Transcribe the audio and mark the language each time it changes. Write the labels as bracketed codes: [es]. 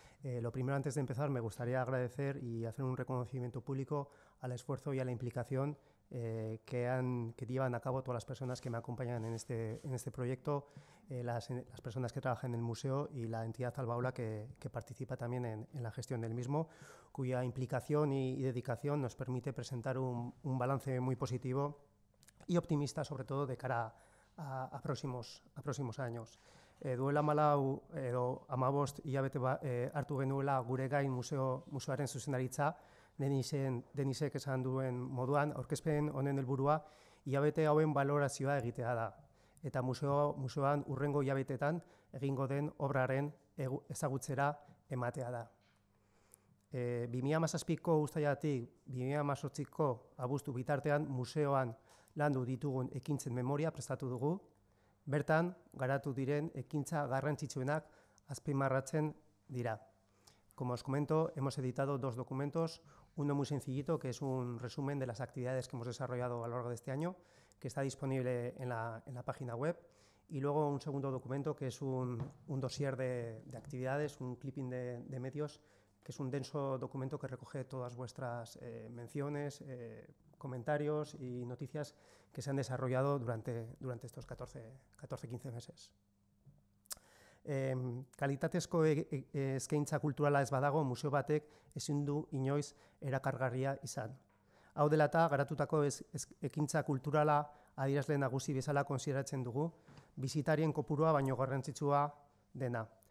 [es] Lo primero, antes de empezar, me gustaría agradecer y hacer un reconocimiento público al esfuerzo y a la implicación que llevan a cabo todas las personas que me acompañan en este proyecto, las personas que trabajan en el museo y la entidad Albaola que participa también en la gestión del mismo, cuya implicación y dedicación nos permite presentar un balance muy positivo y optimista, sobre todo de cara a próximos años. [eu] Duela malau edo amabost hilabete hartu genuela gure gain museoaren zuzendaritza, Denisek esan duen moduan, aurkezpen honen helburua hilabete hauen balorazioa egitea da, eta museoan urrengo hilabetetan egingo den obraren ezagutzera ematea da. 2017ko uztailatik 2018ko abuztu bitartean museoan landu ditugun ekintzen memoria prestatu dugu, bertan garatu diren ekintza garrantzitsuenak azpimarratzen dira. [es] Como os comento, hemos editado dos documentos, uno muy sencillito, que es un resumen de las actividades que hemos desarrollado a lo largo de este año, que está disponible en la página web, y luego un segundo documento, que es un dossier de actividades, un clipping de medios, que es un denso documento que recoge todas vuestras menciones, comentarios y noticias que se han desarrollado durante estos 14-15 meses. [eu] Kalitatezko eskaintza kulturala ez badago, museo batek ezin du inoiz erakargarria izan. Hau dela eta garatutako ekintza kulturala adierazle nagusi bezala konsideratzen dugu, bisitarien kopurua baino garrantzitsua dena.